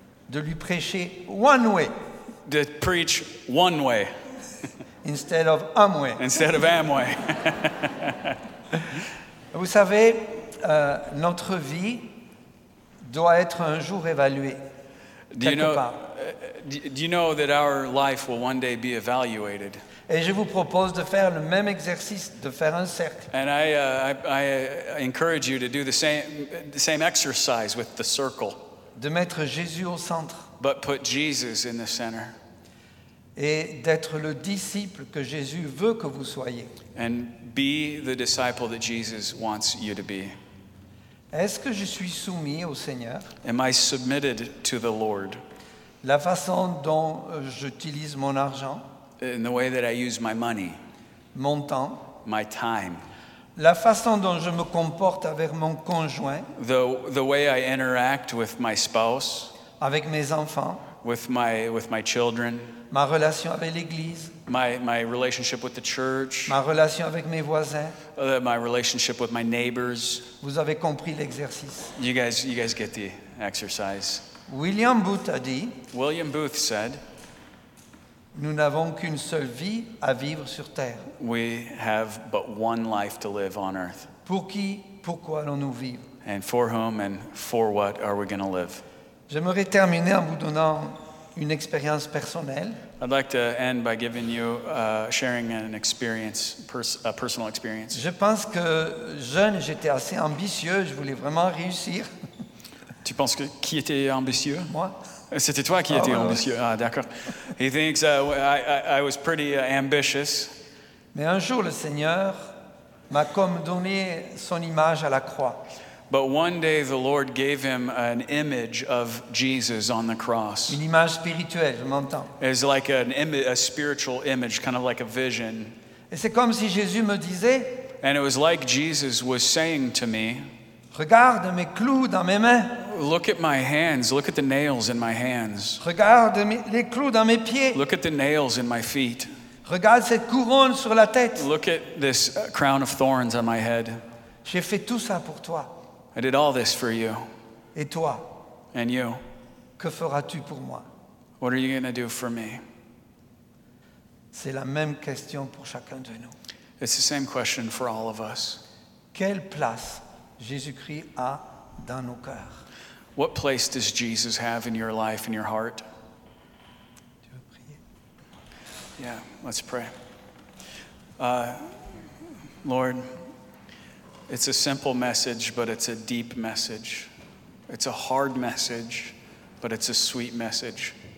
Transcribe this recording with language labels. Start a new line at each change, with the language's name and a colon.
French: De lui prêcher
English: one way. To preach one way. Instead of Amway. Instead of Amway.
French: Vous savez, notre vie doit être un jour évaluée
English: Do you know that our life will one day be evaluated?
French: Et je vous propose de faire le même exercice, de faire un cercle.
English: And I encourage you to do the same exercise with the circle.
French: De mettre Jésus au centre.
English: But put Jesus in the center.
French: Et d'être le disciple que Jésus veut que vous soyez.
English: And be the disciple that Jesus wants you to be.
French: Est-ce que je suis soumis au Seigneur?
English: Am I submitted to the Lord?
French: La façon dont j'utilise mon argent.
English: In the way that I use my money.
French: Mon temps.
English: My time.
French: La façon dont je me comporte avec mon conjoint.
English: The way I interact with my spouse.
French: Avec mes enfants.
English: With my children.
French: Ma relation avec l'église.
English: My relationship with the church.
French: Ma relation avec mes voisins.
English: My relationship with my neighbors.
French: Vous avez compris l'exercice.
English: You guys get the exercise.
French: William Booth a dit.
English: William Booth said.
French: Nous n'avons qu'une seule vie à vivre sur terre.
English: We have but one life to live on earth.
French: Pour qui, pourquoi allons-nous vivre?
English: And for whom and for what are we going to live?
French: J'aimerais terminer en vous donnant une expérience personnelle.
English: I'd like to end by giving you sharing an experience, a personal experience.
French: Je pense que jeune, j'étais assez ambitieux, je voulais vraiment réussir. Tu penses que qui était ambitieux? Moi. C'était toi qui étais ambitieux. Ah, d'accord.
English: He thinks I was pretty ambitious.
French: Mais un jour, le Seigneur m'a comme donné son image à la croix.
English: But one day the Lord gave him an image of Jesus on the cross.
French: Une image spirituelle, je m'entends.
English: It's like a spiritual image, kind of like a vision.
French: Et c'est comme si Jésus me disait.
English: And it was like Jesus was saying to me.
French: Regarde mes clous dans mes mains.
English: Look at my hands. Look at the nails in my hands.
French: Regarde les clous dans mes pieds.
English: Look at the nails in my feet.
French: Regarde cette couronne sur la tête.
English: Look at this crown of thorns on my head.
French: J'ai fait tout ça pour toi.
English: I did all this for you.
French: Et toi?
English: And you.
French: Que feras-tu pour moi?
English: What are you going to do for me?
French: C'est la même question pour chacun de nous.
English: It's the same question for all of us.
French: Quelle place Jésus-Christ a dans nos cœurs?
English: What place does Jesus have in your life, in your heart?
French: Tu veux prier?
English: Yeah, let's pray. Lord, it's a simple message, but it's a deep message. It's a hard message, but it's a sweet message.